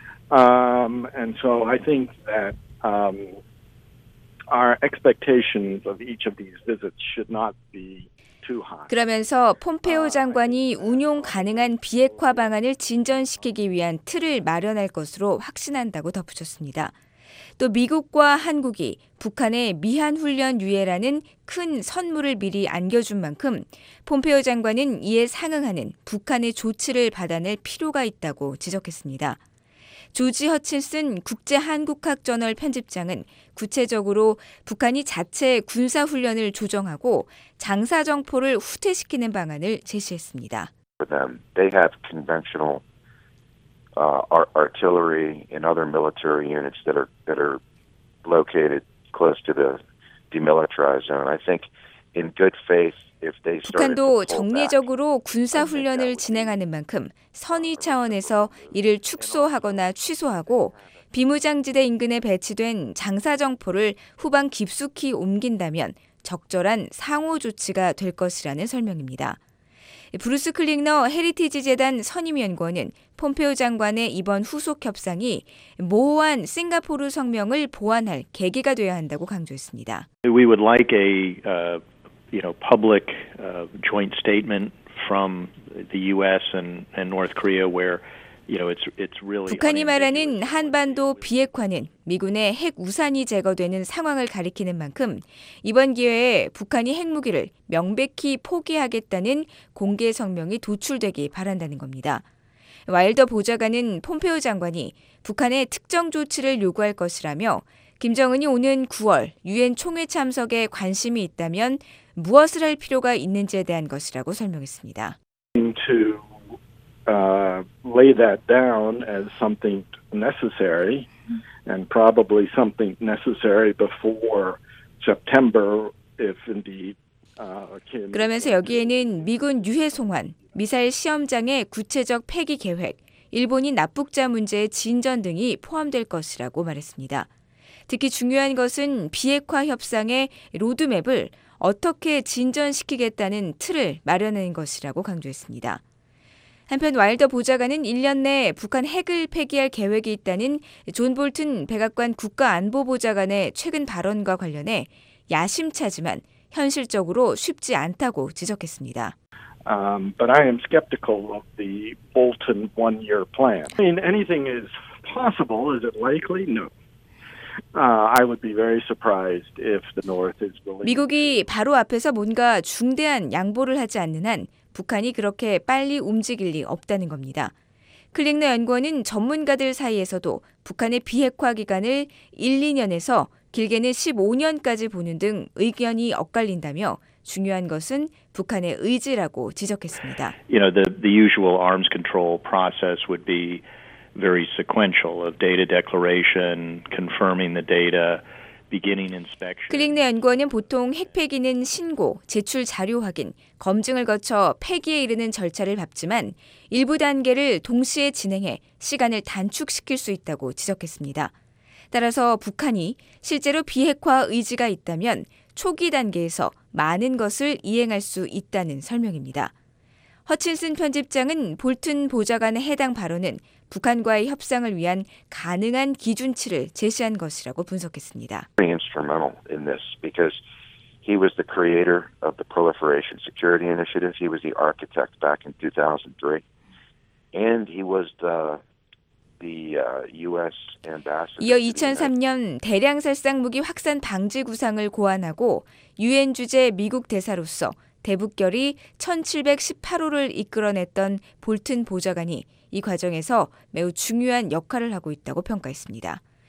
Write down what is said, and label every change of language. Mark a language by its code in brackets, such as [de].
[en] And so I think that our expectations of each of these visits should not be [ko] 그러면서 폼페오 장관이 운용 가능한 비핵화 방안을 진전시키기 위한 틀을 마련할 것으로 확신한다고 덧붙였습니다. 또 미국과 한국이 북한의 미한훈련 유예라는 큰 선물을 미리 안겨준 만큼 폼페오 장관은 이에 상응하는 북한의 조치를 받아낼 필요가 있다고 지적했습니다. 조지 허친슨 국제한국학저널 편집장은 구체적으로 북한이 자체 군사훈련을 조정하고 장사정포를 후퇴시키는 방안을 제시했습니다. [en] For them, they have conventional artillery and other military units that are located close to the demilitarized zone. I think in good faith. [ko] 북한도 정례적으로 군사훈련을 진행하는 만큼 선의 차원에서 이를 축소하거나 취소하고 비무장지대 인근에 배치된 장사정포를 후방 깊숙이 옮긴다면 적절한 상호 조치가 될 것이라는 설명입니다. 브루스 클링너 헤리티지 재단 선임연구원은 폼페오 장관의 이번 후속 협상이 모호한 싱가포르 성명을 보완할 계기가 되어야 한다고 강조했습니다. [en] We would like a public joint statement from the U.S. and North Korea, where it's really [ko] 북한이 말하는 한반도 비핵화는 미군의 핵 우산이 제거되는 상황을 가리키는 만큼 이번 기회에 북한이 핵무기를 명백히 포기하겠다는 공개 성명이 도출되기 바란다는 겁니다. 와일더 보좌관은 폼페오 장관이 북한의 특정 조치를 요구할 것이라며 김정은이 오는 9월 유엔 총회 참석에 관심이 있다면 무엇을 할 필요가 있는지에 대한 것이라고 설명했습니다. [en] To lay that down as something necessary and probably something necessary before September if indeed [ko] 그러면서 여기에는 미군 유해 송환, 미사일 시험장의 구체적 폐기 계획, 일본이 납북자 문제의 진전 등이 포함될 것이라고 말했습니다. 특히 중요한 것은 비핵화 협상의 로드맵을 어떻게 진전시키겠다는 틀을 마련한 것이라고 강조했습니다. 한편 와일더 보좌관은 1년 내 북한 핵을 폐기할 계획이 있다는 존 볼튼 백악관 국가안보보좌관의 최근 발언과 관련해 야심차지만 현실적으로 쉽지 않다고 지적했습니다. [en] But I am skeptical of the Bolton one-year plan. I mean, anything is possible. Is it likely? No. I would be very surprised if the North is willing. [ko] 미국이 바로 앞에서 뭔가 중대한 양보를 하지 않는 한 북한이 그렇게 빨리 움직일 리 없다는 겁니다. 클릭너 연구원은 전문가들 사이에서도 북한의 비핵화 기간을 1, 2년에서 길게는 15년까지 보는 등 의견이 엇갈린다며 중요한 것은 북한의 의지라고 지적했습니다. [en] You know, the usual arms control process would be very sequential of data declaration, confirming the data, beginning inspection. [ko] 클릭너 연구원은 보통 핵 폐기는 신고, 제출 자료 확인, 검증을 거쳐 폐기에 이르는 절차를 밟지만 일부 단계를 동시에 진행해 시간을 단축시킬 수 있다고 지적했습니다. 따라서 북한이 실제로 비핵화 의지가 있다면 초기 단계에서 많은 것을 이행할 수 있다는 설명입니다. 허친슨 편집장은 볼튼 보좌관의 해당 발언은 북한과의 협상을 위한 가능한 기준치를 제시한 것이라고 분석했습니다. [en] Instrumental in this because he was the creator of the Proliferation Security Initiative. He was the architect back in 2003, and he was the U.S. ambassador. [ko] 이어 2003년 대량살상 무기 확산 방지 구상을 고안하고 유엔 주재 미국 대사로서 대북결의 1718호를 이끌어냈던 볼튼 보좌관이 이 과정에서 매우 중요한 역할을 하고 있다고 평가했습니다.